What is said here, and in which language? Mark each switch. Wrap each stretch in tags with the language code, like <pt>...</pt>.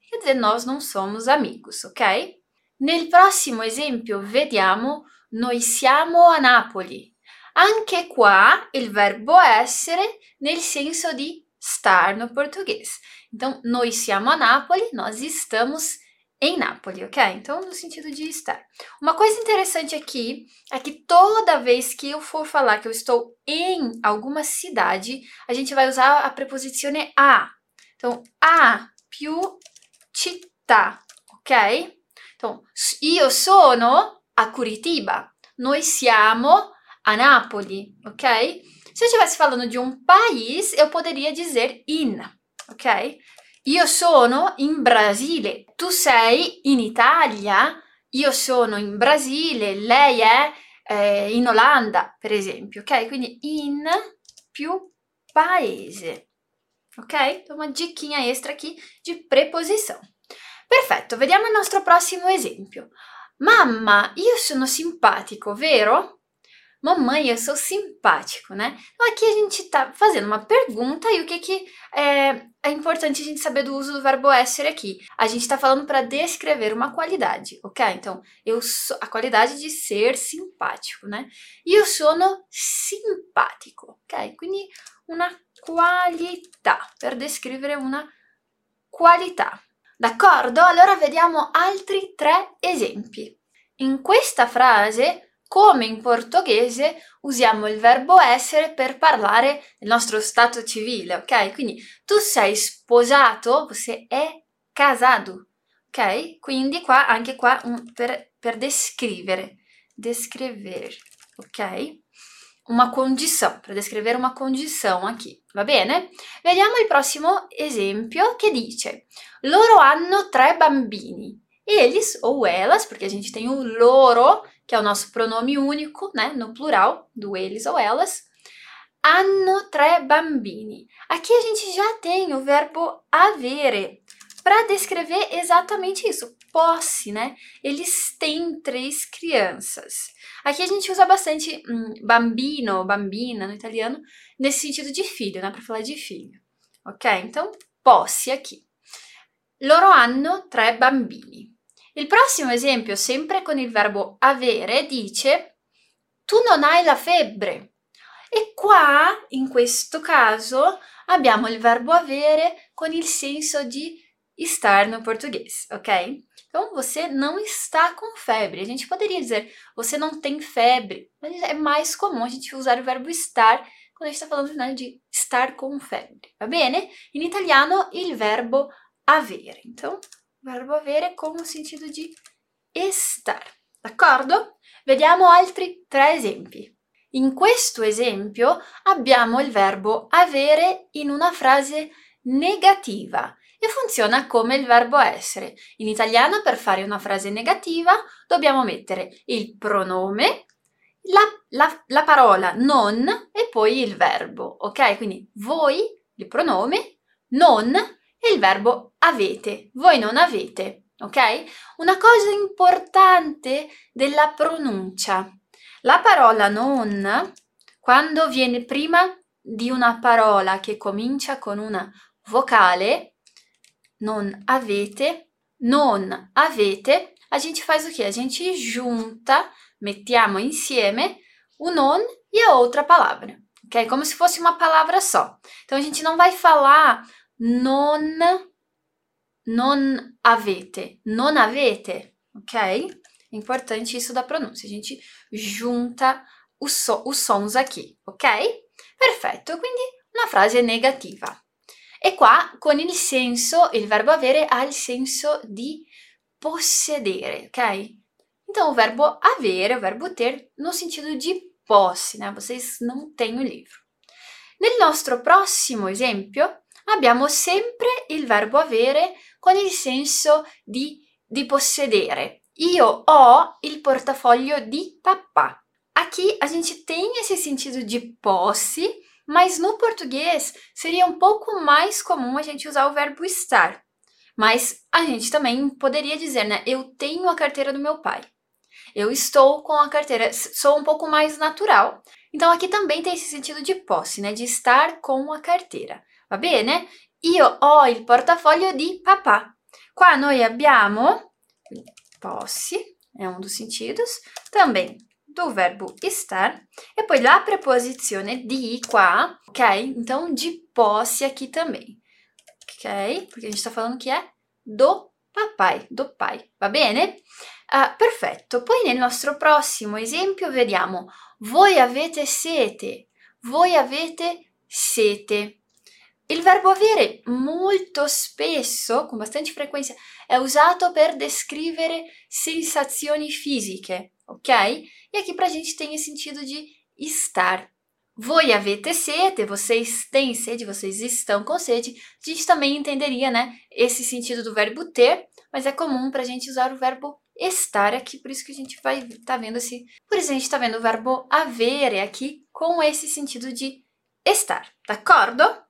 <pt>Quer dizer, nós não somos amigos, ok?</pt> <it>Nel prossimo esempio vediamo noi siamo a Napoli. Anche qua il verbo essere nel senso di star</it> <pt>no português. Então,</pt> <it>noi siamo a Napoli,</it> <pt>nós estamos em Nápoles, ok? Então, no sentido de estar. Uma coisa interessante aqui é que toda vez que eu for falar que eu estou em alguma cidade, a gente vai usar a preposizione a.</pt> <it>Então, a più città, ok? Então, io sono a Curitiba. Noi siamo a Napoli, ok?</it> <pt>Se eu estivesse falando de um país, eu poderia dizer in, ok?</pt> <it>Io sono in Brasile. Tu sei in Italia? Io sono in Brasile. Lei è in Olanda, per esempio, ok? Quindi in più paese, ok? Una giochina extra qui di preposizione. Perfetto, vediamo il nostro prossimo esempio. Mamma, io sono simpatico, vero? Mamma, io sono simpatico, né?</it> <pt>Ma aqui a gente está fazendo uma pergunta e o que é importante a gente saber do uso do verbo ser aqui? A gente está falando para descrever uma qualidade, ok? Então, eu sou a qualidade de ser simpático, né?</pt> <it>Io sono simpático, ok? Quindi una qualità, per descrivere una qualità. D'accordo? Allora vediamo altri tre esempi. In questa frase, come in portoghese, usiamo il verbo essere per parlare del nostro stato civile, ok? Quindi tu sei sposato,</it> <pt>você é casado,</pt> <it>ok? Quindi qua anche qua per descrivere, descrever, ok? Una condizione, per descrivere una condizione qui, va bene? Vediamo il prossimo esempio che dice: loro hanno tre bambini.</it> <pt>Eles ou elas, perché a gente tem o loro,</pt> <it>che è il nostro pronome unico,</it> <pt>né? No plural, do eles ou elas, hanno tre bambini. Aqui a gente já tem o verbo avere, para descrever esattamente isso. Posse, né? Eles têm três crianças. Aqui a gente usa bastante bambino, bambina no italiano, nesse sentido de filho, né? Para falar de filho. Ok? Então, posse aqui. Loro hanno tre bambini.</pt> <it>Il prossimo esempio, sempre con il verbo avere, dice: tu non hai la febbre. E qua, in questo caso, abbiamo il verbo avere con il senso di estar no português, ok?</it> <pt>Então, você não está com febre. A gente poderia dizer, você não tem febre. Mas é mais comum a gente usar o verbo estar quando a gente está falando, né, de estar com febre, tá bene?</pt> <it>Em italiano, il verbo avere.</it> <pt>Então, o verbo avere com o sentido de estar, d'accordo?</pt> <it>Vediamo altri tre esempi. In questo esempio, abbiamo il verbo avere in una frase negativa. E funziona come il verbo essere. In italiano, per fare una frase negativa, dobbiamo mettere il pronome, la parola non e poi il verbo, ok? Quindi voi, il pronome, non e il verbo avete, voi non avete, ok? Una cosa importante della pronuncia. La parola non, quando viene prima di una parola che comincia con una vocale, non avete, non avete,</it> <pt>a gente faz o quê? A gente junta,</pt> <it>mettiamo insieme o non e a outra palavra, ok?</it> <pt>Como se fosse uma palavra só. Então a gente não vai falar non, non avete, non avete, ok? É importante isso da pronúncia, a gente junta os sons aqui, ok? Perfeito, quindi uma frase negativa.</pt> <it>E qua con il senso, il verbo avere ha il senso di possedere, ok?</it> <pt>Então, o verbo avere, o verbo ter, no sentido di posse, né? Vocês não têm o livro.</pt> <it>Nel nostro prossimo esempio, abbiamo sempre il verbo avere con il senso di possedere. Io ho il portafoglio di papà.</it> <pt>Aqui a gente tem esse sentido di posse. Mas no português seria um pouco mais comum a gente usar o verbo estar. Mas a gente também poderia dizer, né? Eu tenho a carteira do meu pai. Eu estou com a carteira. Sou um pouco mais natural. Então aqui também tem esse sentido de posse, né? De estar com a carteira.</pt> <it>Va bene? Io ho il portafoglio di papà. Qua noi abbiamo posse,</it> <pt>é um dos sentidos, também do verbo estar,</pt> <it>e poi la preposizione di qua, ok?</it> <pt>Então, di posse aqui também, ok? Perché a gente sta falando che è do pai, va bene?</pt> <it>Perfetto, poi nel nostro prossimo esempio vediamo: voi avete sete, voi avete sete. Il verbo avere molto spesso, con bastante frequenza, è usato per descrivere sensazioni fisiche. Ok?</it> <pt>E aqui para a gente tem o sentido de estar.</pt> <it>Voi avete sete,</it> <pt>vocês têm sede, vocês estão com sede. A gente também entenderia, né, esse sentido do verbo ter, mas é comum para a gente usar o verbo estar aqui, por isso que a gente vai estar vendo esse. Por isso a gente está vendo o verbo avere aqui com esse sentido de estar, d'accordo?</pt>